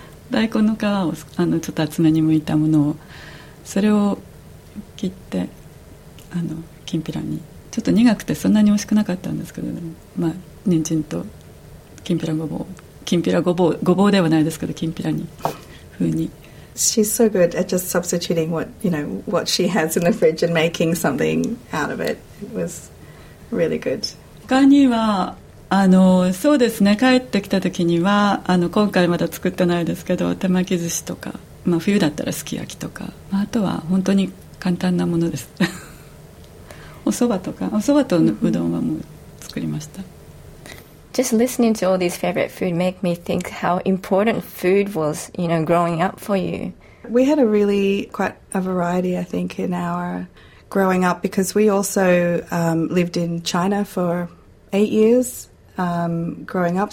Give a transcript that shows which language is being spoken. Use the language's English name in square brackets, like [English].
[Japanese] 大根の皮をちょっと厚めにむいたものを、それを切ってきんぴらに、ちょっと苦くてそんなに美味しくなかったんですけど、ね、まあ人参ときんぴらごぼう、きんぴらごぼう、ごぼうではないですけど、きんぴらに風に。 [English] She's so good at just substituting what, you know, what she has in the fridge and making something out of it. It was really good. [Japanese] 他にはそうですね、帰ってきた時には今回まだ作ってないですけど、手巻き寿司とか、まあ冬だったらすき焼きとか、まあ、あとは本当に簡単なものですお蕎麦とか、お蕎麦とうどんはもう作りました。 [English] Just listening to all these favorite food make me think how important food was, you know, growing up for you. We had a really quite a variety, I think, in our growing up, because we also lived in China for 8 years growing up.